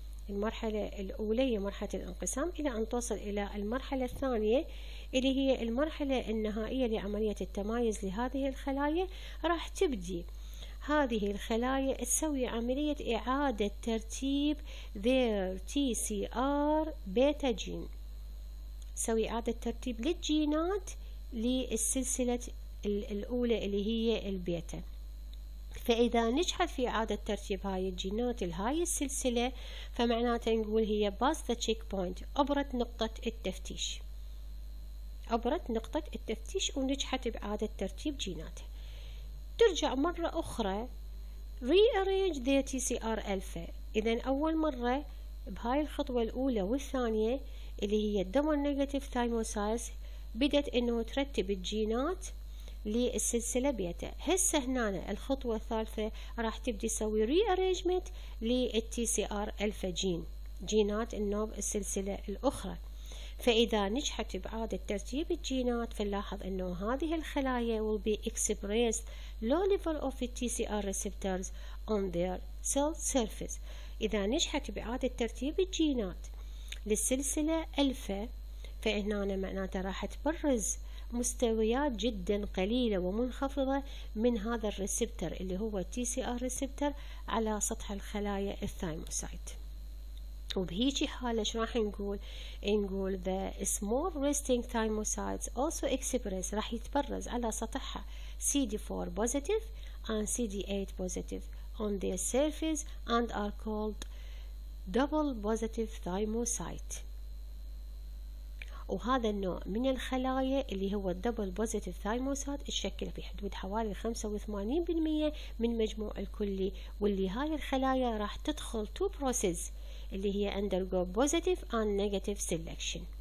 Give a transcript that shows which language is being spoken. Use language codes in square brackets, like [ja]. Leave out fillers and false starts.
[ar] المرحلة الأولى هي مرحلة الانقسام إلى أن توصل إلى المرحلة الثانية اللي هي المرحلة النهائية لعملية التمايز لهذه الخلايا، راح تبدي هذه الخلايا تسوي عملية إعادة ترتيب [en] their TCR beta gene، [ar] سوي إعادة ترتيب للجينات للسلسلة الأولى اللي هي البيتا. فإذا نجحت في إعادة ترتيب هاي الجينات لهاي السلسلة فمعناته نقول هي [en] passed the checkpoint، [ar] عبرت نقطة التفتيش، عبرت نقطة التفتيش ونجحت بإعادة ترتيب جيناتها. ترجع مرة أخرى [en] rearrange the TCR alpha. [ar] إذا أول مرة بهاي الخطوة الأولى والثانية اللي هي [en] double negative thymocytes [ar] بدت إنه ترتب الجينات للسلسلة بيتا. هسه هنا الخطوة الثالثة راح تبدي تسوي rearrangement لل TCR alpha جينات النوب السلسلة الأخرى. فإذا نجحت بإعادة ترتيب الجينات فنلاحظ أنه هذه الخلايا [en] will be expressed low level of TCR receptors on their cell surface. [ar] إذا نجحت بإعادة ترتيب الجينات للسلسلة ألفا فإهنا معناتها راح تبرز مستويات جدا قليلة ومنخفضة من هذا الريسبتر اللي هو TCR receptor على سطح الخلايا الثايموسايت. وبهيجي حالة شو راح نقول؟ نقول [en] the small resting thymocytes also express [ar] راح يتبرز على سطحها [en] CD4 positive and CD8 positive on their surface and are called double positive thymocyte. [ar] وهذا النوع من الخلايا اللي هو [en] double positive thymocyte [ar] تشكل في حدود حوالي 85% من مجموع الكلي، واللي هاي الخلايا راح تدخل [en] two processes [ar] اللي هي [en] undergo positive and negative selection.